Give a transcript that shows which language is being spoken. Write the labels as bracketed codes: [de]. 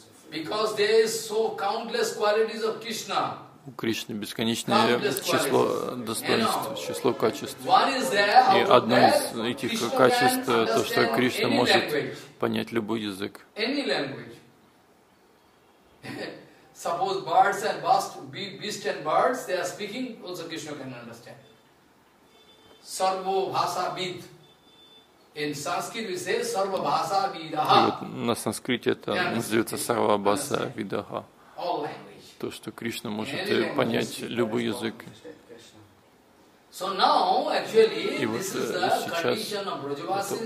[en] Because there is so countless qualities of Krishna. [ru] У Кришны бесконечное число достоинств, число качеств. И одно из этих качеств то, что Кришна может понять любой язык. [en] Any language. Suppose birds and beasts and birds, they are speaking, also Krishna can understand. Sarva bhasha vid. In Sanskrit we say sarva bhasha vidaha. [ru] Вот на санскрите это называется сарва бхаша видаха. То, что Кришна может понять любой язык. [en] So now actually this is the condition of Vrajavasis.